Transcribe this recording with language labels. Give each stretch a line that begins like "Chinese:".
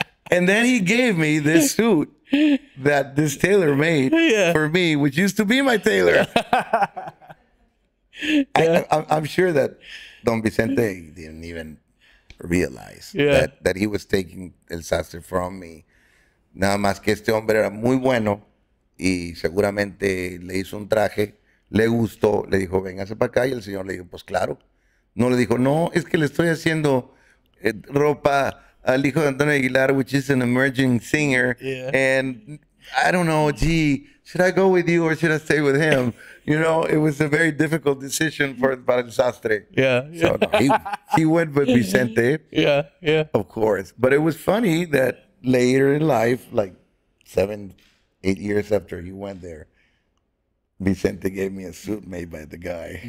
English: And then he gave me this suit that this tailor made yeah. for me, which used to be my tailor. Yeah. I'm sure that Don Vicente didn't even realize yeah. that he was taking el sastre from me.
Spanish: Nada más que este hombre era muy bueno y seguramente le hizo un traje, le gustó, le dijo, véngase para acá. Y el señor le dijo, pues claro. No le dijo, no, es que le estoy haciendo ropa
English: El Hijo de Antonio Aguilar, which is an emerging singer. Yeah. And I don't know, gee, should I go with you or should I stay with him? You know, it was a very difficult decision for El Sastre. Yeah. So no, he went with Vicente. Yeah, yeah. Of course. But it was funny that later in life, like 7-8 years after he went there, Vicente gave me a suit made by the guy.